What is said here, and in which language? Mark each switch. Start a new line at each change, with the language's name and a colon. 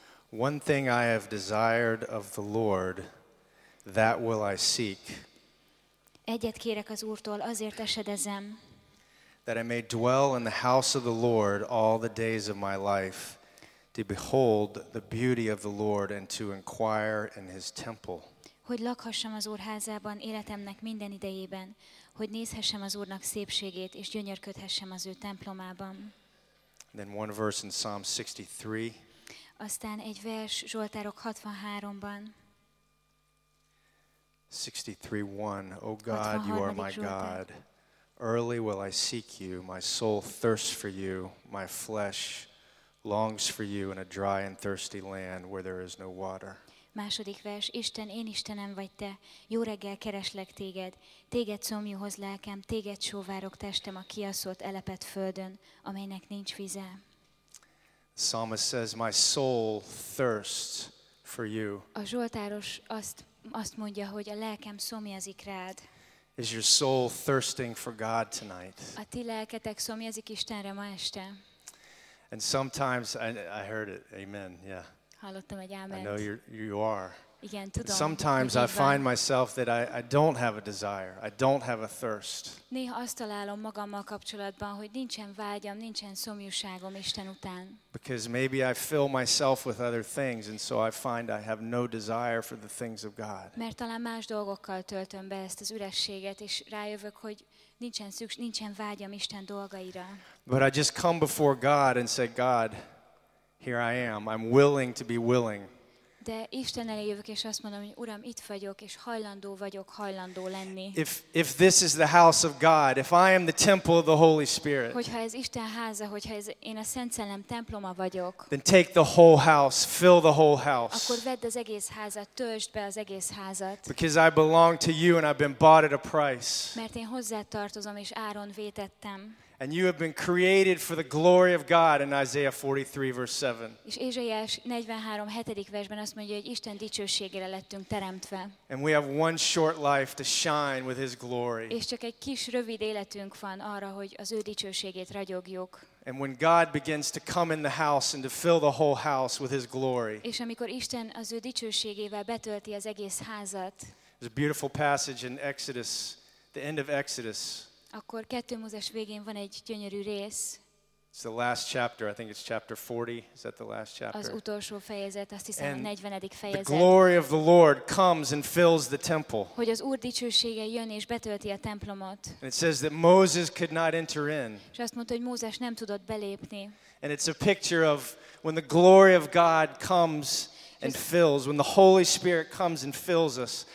English: One thing I have desired of the Lord, that will I seek.
Hungarian: Egyet kérek az Úrtól, azért esedezem.
English: That I may dwell in the house of the Lord all the days of my life, to behold the beauty of the Lord and to inquire in his temple.
Hungarian: Hogy lakhassam az Úr házában életemnek minden idejében, hogy nézhessem az Úrnak szépségét és gyönyörködhessem az ő templomában.
English: Then one verse in Psalm 63.
Hungarian: Aztán egy vers Zsoltárok 63-ban.
English: 63:1. O God, you are my God. Early will I seek you. My soul thirsts for you. My flesh longs for you in a dry and thirsty land where there is no water.
Hungarian: Második vers. Isten, én Istenem vagy te. Jó reggel kereslek téged. Téged szomjúhoz lelkem, téged sóvárok testem a kiaszolt elepet földön, amelynek nincs vize.
English: Psalmist says, my soul thirsts for you.
Hungarian: A zsoltáros azt mondja, hogy a lelkem szomjazik rád.
English: Is your soul thirsting for God tonight?
Hungarian: A ti lelketek szomjazik Istenre ma este.
English: And sometimes I heard it. Amen. Yeah.
Hungarian: Hallottam egy ámen.
English: I know you are.
Hungarian: Igen, tudom.
English: And sometimes I find myself that I don't have a desire. I don't have a thirst.
Hungarian: Néha azt találom magammal kapcsolatban, hogy nincsen vágyam, nincsen szomjúságom Isten után.
English: Because maybe I fill myself with other things and so I find I have no desire for the things of God.
Hungarian: Mert talán más dolgokkal töltöm be ezt az ürességet és rájövök, hogy nincsen vágyam Isten dolgaira.
English: But I just come before God and say, God, here I am. I'm willing to be willing.
Hungarian: De Isten elé jövök és azt mondom, hogy Uram, itt vagyok és hajlandó lenni.
English: If this is the house of God, if I am the temple of the Holy Spirit.
Hungarian: Hogyha ez Isten háza, hogyha ez én a Szent Szellem temploma vagyok.
English: Then take the whole house, fill the whole house.
Hungarian: Akkor vedd az egész házat, töltsd be az egész házat.
English: Because I belong to you and I've been bought at a price.
Hungarian: Mert én hozzád tartozom és áron vétettem.
English: And you have been created for the glory of God in Isaiah 43 verse 7.
Hungarian: És Ézsaiás 43. 7. versben azt mondja, hogy Isten dicsőségére lettünk teremtve.
English: And we have one short life to shine with his glory.
Hungarian: És csak egy kis rövid életünk van arra, hogy az ő dicsőségét ragyogjuk.
English: And when God begins to come in the house and to fill the whole house with his glory.
Hungarian: És amikor Isten az ő dicsőségével betölti az egész házat.
English: There's a beautiful passage in Exodus, the end of Exodus.
Hungarian: Akkor kettő Mózes végén van egy gyönyörű rész.
English: It's the last chapter. I think it's chapter 40. Is that the last chapter?
Hungarian: Az utolsó fejezet, azt hiszem,
English: and
Hungarian: a 40. fejezet.
English: The glory of the Lord comes and fills the temple.
Hungarian: Hogy az Úr dicsősége jön és betölti a templomot.
English: And it says that Moses could not enter in.
Hungarian: És azt mondta, hogy Mózes nem tudott belépni.
English: And it's a picture of when the glory of God comes and fills, when the Holy Spirit comes and fills us.